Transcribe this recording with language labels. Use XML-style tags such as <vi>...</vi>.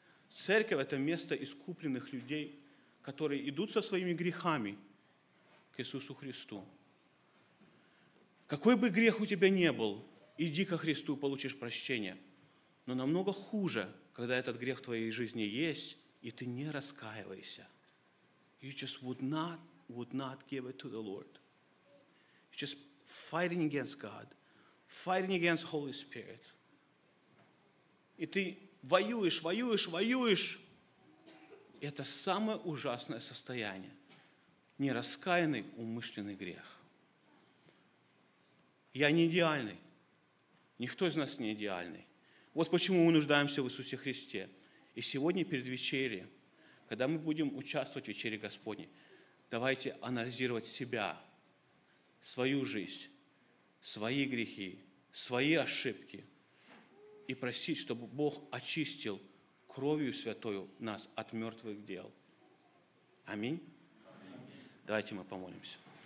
<ru>Церковь – это место искупленных людей, которые идут со своими грехами к Иисусу Христу. Какой бы грех у тебя ни был, иди ко Христу, получишь прощение. Но намного хуже, когда этот грех в твоей жизни есть, и ты не раскаиваешься.</ru> <en>You just would not give it to the Lord. You're just fighting against God, fighting against Holy Spirit.</en> <ru>И ты воюешь. Это самое ужасное состояние. Нераскаянный умышленный грех. Я не идеальный. Никто из нас не идеальный. Вот почему мы нуждаемся в Иисусе Христе. И сегодня перед вечерей, когда мы будем участвовать в вечере Господней, давайте анализировать себя, свою жизнь, свои грехи, свои ошибки и просить, чтобы Бог очистил кровью святою нас от мертвых дел. Аминь. Давайте мы помолимся.</ru>